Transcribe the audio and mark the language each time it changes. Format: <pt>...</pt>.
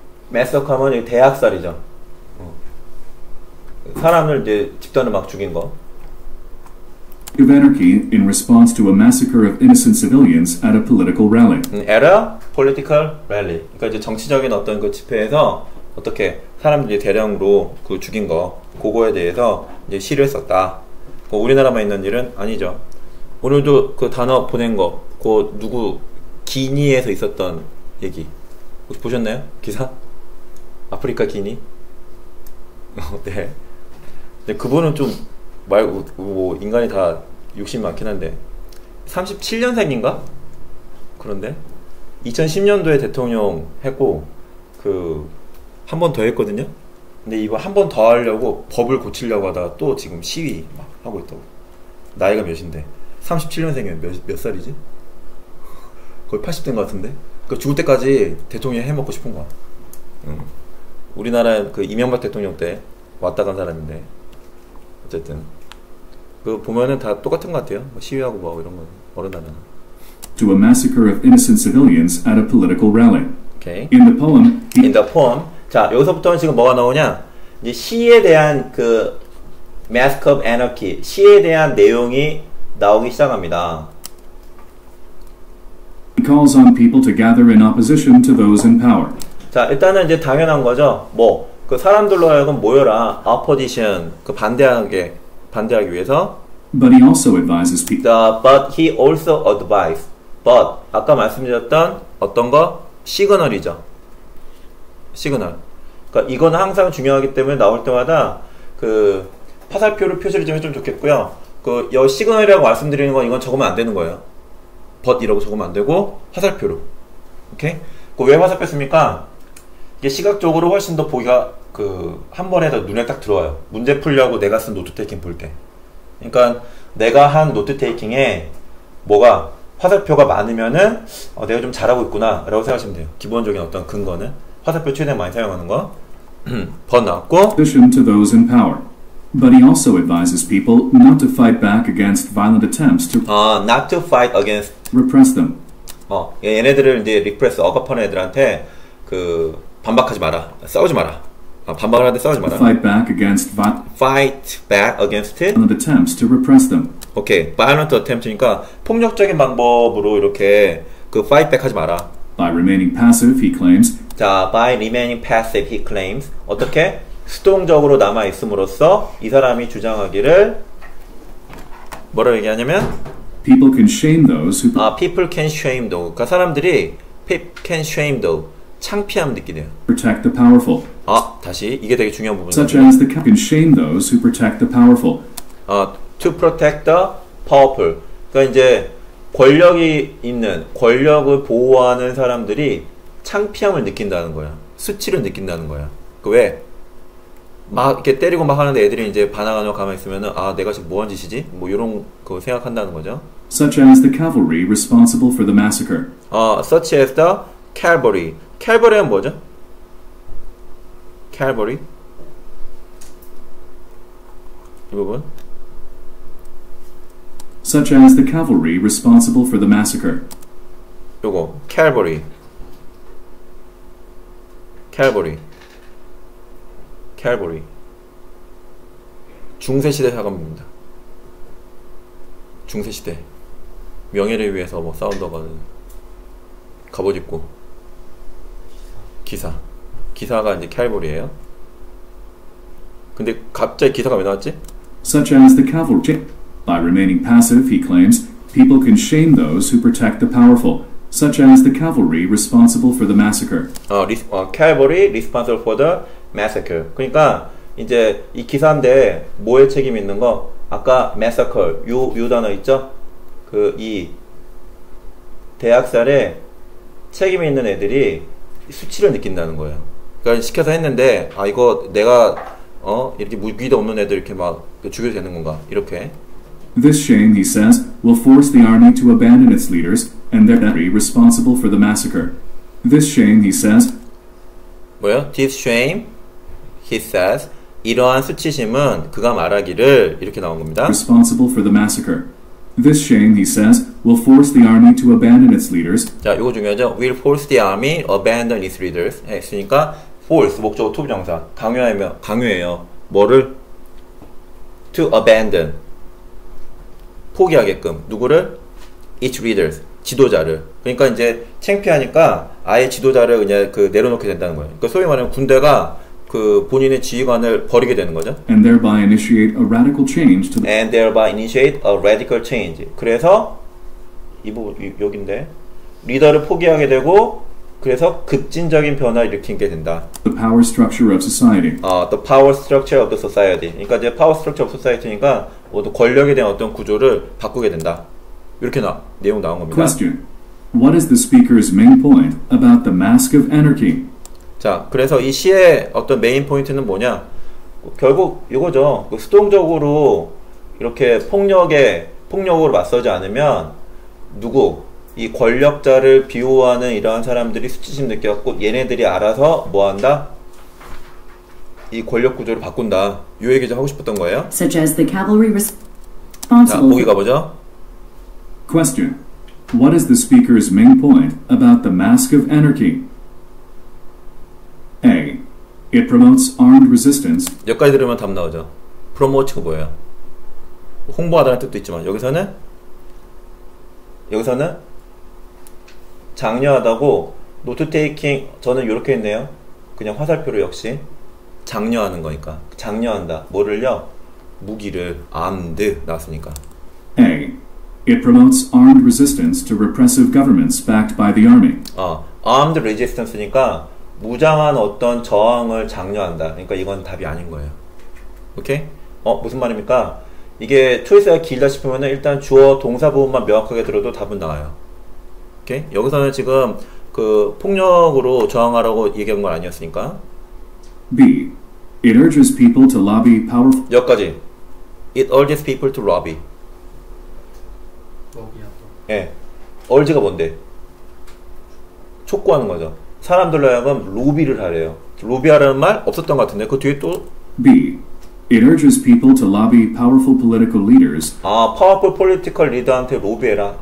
<ko>Massacre 하면 대학살이죠. 사람을 이제 집단을 막 죽인 거.</ko> <en>Of anarchy in response to a massacre of innocent civilians at a political rally. At a political rally.</en> <ko>그러니까 이제 정치적인 어떤 그 집회에서 어떻게 사람들이 대량으로 그 죽인 거 그거에 대해서 이제 시를 썼다. 그 우리나라만 있는 일은 아니죠. 오늘도 그 단어 보낸 거 그 누구 기니에서 있었던 얘기 혹시 보셨나요? 기사? 아프리카 기니? 네. 근데 그분은 좀 말고 뭐 인간이 다 욕심이 많긴 한데 37년생인가? 그런데 2010년도에 대통령 했고 그 한 번 더 했거든요. 근데 이거 한 번 더 하려고 법을 고치려고 하다가 또 지금 시위 막 하고 있다고. 나이가 몇인데? 37년생이면 몇 살이지? 거의 80대인 것 같은데? 그 죽을 때까지 대통령 해먹고 싶은 거야. 우리나라 그 이명박 대통령 때 왔다 간 사람인데. 어쨌든 그 보면은 다 똑같은 것 같아요. 뭐 시위하고 뭐 이런 거 어른 나라.</ko> <en>To a massacre of innocent civilians at a political rally. Okay. In the poem. In the poem.</en> <ko>자, 여기서부터는 지금 뭐가 나오냐? 이제 시에 대한 그 Mask of Anarchy, 시에 대한 내용이 나오기 시작합니다.</ko> <en>He calls on people to gather in opposition to those in power.</en> <ko>자, 일단은 이제 당연한 거죠. 뭐, 그 사람들로 하여금 모여라. Opposition, 그 반대하기 위해서.</ko> <en>But he also advises people. But he also advises.</en> <ko>But 아까 말씀드렸던 어떤 거? 시그널이죠. 시그널. 그러니까 이건 항상 중요하기 때문에 나올 때마다 그 파살표를 표시를 좀 해주면 좋겠고요. 그 여 시그널이라고 말씀드리는 건 이건 적으면 안 되는 거예요. But 이라고 적으면 안 되고 파살표로. 오케이? 그 왜 파살표 씁니까? 이게 시각적으로 훨씬 더 보기가 그 한 번에 더 눈에 딱 들어와요. 문제 풀려고 내가 쓴 노트 테이킹 볼 때. 그러니까 내가 한 노트 테이킹에 뭐가 화살표가 많으면은 내가 좀 잘하고 있구나라고 생각하시면 돼요. 기본적인 어떤 근거는 화살표 최대한 많이 사용하는 거. 번 나왔고.</ko> <en>Addition to those in power, but he also advises people not to fight back against violent attempts to not to fight against repress them.</en> <ko>얘네들을 이제 리프레스 억압하는 애들한테 그 반박하지 마라, 싸우지 마라. 반박을 하는데 싸우지 마라.</ko> <en>Fight back against fight back against it. Violent attempts to repress them. 오케이, okay. violent attempt</en> <ko>이니까 폭력적인 방법으로 이렇게 그</ko> <en>fight back</en> <ko>하지 마라.</ko> <en>By remaining passive, he claims. 자, by remaining passive, he claims.</en> <ko>어떻게? 수동적으로 남아 있음으로써 이 사람이 주장하기를 뭐라고 얘기하냐면</ko> <en>people can shame those who people can shame those.</en> <ko>그러니까 사람들이</ko> <en>can shame those.</en> <ko>창피함 느끼네요.</ko> <en>Protect the powerful.</en> <ko>다시 이게 되게 중요한 부분이에요.</ko> <en>Such as the can shame those who protect the powerful. To protect the powerful.</en> <ko>그러니까 이제 권력이 있는, 권력을 보호하는 사람들이 창피함을 느낀다는 거야. 수치를 느낀다는 거야. 그 왜? 막 이렇게 때리고 막 하는데 애들이 이제 반항하고 가만히 있으면은 내가 지금 뭐한 짓이지? 뭐 이런 거 생각한다는 거죠.</ko> <en>Such as the cavalry responsible for the massacre. Such as the cavalry.</en> <ko>Cavalry는 뭐죠?</ko> <en>Cavalry.</en> <ko>이 부분.</ko> <en>Such as the cavalry responsible for the massacre.</en> <ko>요거, cavalry. Cavalry. Cavalry. 중세시대 사관입니다. 중세시대. 명예를 위해서 뭐 싸운다거나 갑옷 입고 기사. 기사가 이제 cavalry예요. 근데 갑자기 기사가 왜 나왔지?</ko> <en>Such as the cavalry. By remaining passive, he claims, people can shame those who protect the powerful, such as the cavalry responsible for the massacre. Cavalry responsible for the massacre.</en> <ko>그러니까 이제 이 기사인데 뭐에 책임 있는 거? 아까 massacre 요 단어 있죠? 그 이 대학살에 책임 있는 애들이 수치를 느낀다는 거예요. 그러니까 시켜서 했는데 이거 내가 이렇게 무기도 없는 애들 이렇게 막 죽여도 되는 건가? 이렇게.</ko> <en>This shame, he says, will force the army to abandon its leaders and their army responsible for the massacre. This shame, he says.</en> <ko>뭐요?</ko> <en>This shame, he says.</en> <ko>이러한 수치심은 그가 말하기를 이렇게 나온 겁니다.</ko> <en>Responsible for the massacre. This shame, he says, will force the army to abandon its leaders.</en> <ko>자, 이거 중요하죠.</ko> <en>Will force the army abandon its leaders.</en> <ko>했으니까 force 목적어 to 부정사 강요하면 강요해요. 뭐를?</ko> <en>To abandon.</en> <ko>포기하게끔 누구를?</ko> <en>Each leaders</en> <ko>지도자를. 그러니까 이제 창피하니까 아예 지도자를 그냥 그 내려놓게 된다는 거예요. 그러니까 소위 말하면 군대가 그 본인의 지휘관을 버리게 되는 거죠.</ko> <en>And thereby initiate a radical change. To the... And thereby initiate a radical change.</en> <ko>그래서 이 부분 여기인데 리더를 포기하게 되고 그래서 급진적인 변화를 일으키게 된다.</ko> <en>The power structure of society. The power structure of the society.</en> <ko>그러니까 이제</ko> <en>power structure of society</en> <ko>니까 권력에 대한 어떤 구조를 바꾸게 된다. 이렇게 내용 나온 겁니다.</ko> <en>Question. What is the speaker's main point about the mask of anarchy?</en> <ko>자, 그래서 이 시의 어떤 메인 포인트는 뭐냐? 결국 이거죠. 그 수동적으로 이렇게 폭력으로 맞서지 않으면 누구? 이 권력자를 비호하는 이러한 사람들이 수치심 느껴갖고 얘네들이 알아서 뭐 한다? 이 권력 구조를 바꾼다. 요 얘기 좀 하고 싶었던 거예요.</ko> <en>Such as the cavalry responsible.</en> <ko>자, 보기 가보죠.</ko> <en>Question. What is the speaker's main point about the mask of anarchy? A. It promotes armed resistance.</en> <ko>여기까지 들으면 답 나오죠. Promote가 뭐예요? 홍보하다는 뜻도 있지만 여기서는 장려하다고 노트 테이킹 저는 이렇게 했네요. 그냥 화살표로 역시 장려하는 거니까 장려한다. 뭐를요? 무기를 armed 나왔으니까.</ko> <en>A. It promotes armed resistance to repressive governments backed by the army. Armed resistance</en> <ko>니까 무장한 어떤 저항을 장려한다. 그러니까 이건 답이 아닌 거예요. 오케이? 무슨 말입니까? 이게 트위스가 길다 싶으면 일단 주어 동사 부분만 명확하게 들어도 답은 나와요. 오케이? 여기서는 지금 그 폭력으로 저항하라고 얘기한 건 아니었으니까.</ko> <en>B. It urges people to lobby powerful.</en> <ko>여기까지.</ko> <en>It urges people to lobby.</en> <ko>로비야. 네. urge가 뭔데? 촉구하는 거죠. 사람들로 하여금 로비를 하래요. 로비하라는 말 없었던 것 같은데 그 뒤에 또.</ko> <en>B. It urges people to lobby powerful political leaders.</en> <ko>아,</ko> <en>powerful political leader</en> <ko>한테 로비해라.</ko>